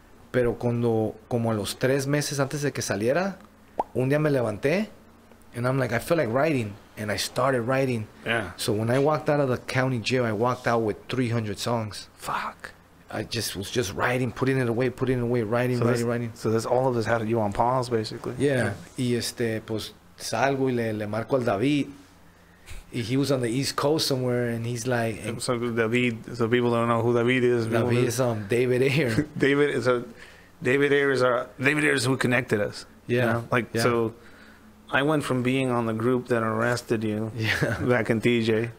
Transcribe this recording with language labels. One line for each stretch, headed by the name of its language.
Spanish: Pero como a los 3 meses antes de que saliera, un día me levanté,
English: and I'm like, I feel like writing, and I started writing. Yeah. So when I walked out of the county jail, I walked out with 300 songs. Fuck. I just was just writing, putting it away, writing. So this, all of this had you on pause, basically.
Spanish: Yeah. Y pues salgo y le marco al David,
English: He was on the East Coast somewhere, and he's like, and so David, so people don't know who David is. David is David Ayer. David is a David Ayer is who connected us. Yeah. You know? Like, yeah. So I went from being on the group that arrested you back in TJ,